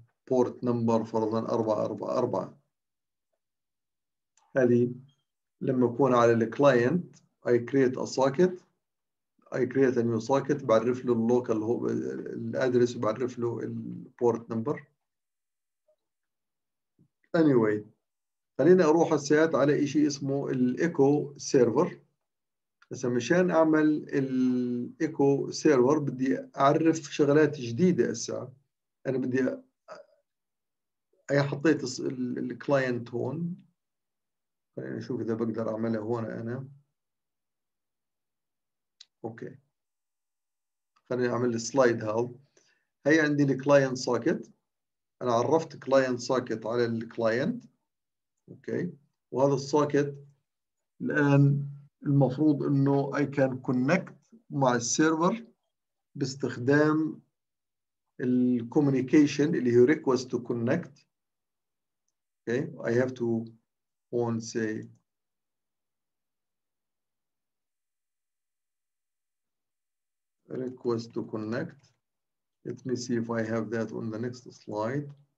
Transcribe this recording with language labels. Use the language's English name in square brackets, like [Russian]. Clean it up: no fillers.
[English] port number [Arabic] فرضا 444 هذه لما أكون على الكلاينت [English] I create a socket I create a new socket [Arabic] بعرف له اللوكال الادرس وبعرف له البورت نمبر. Anyway خليني أروح السيات على شيء اسمه الإيكو سيرفر. بس مشان أعمل الإيكو سيرفر بدي أعرف شغلات جديدة هسه. أنا بدي حطيت الكلاينت هون، خلينا نشوف إذا بقدر أعملها هون أنا. أوكي خليني أعمل السلايد هذا. هي عندي الكلاينت ساكت، أنا عرفت كلاينت ساكت على الكلاينت. أوكي وهذا الساكت الآن المفروض إنه [English] I can connect [Arabic] مع السيرفر باستخدام الكوميونيكيشن اللي هي [English] request to connect. Okay I have to on say request to connect. Let me see if I have that on the next slide.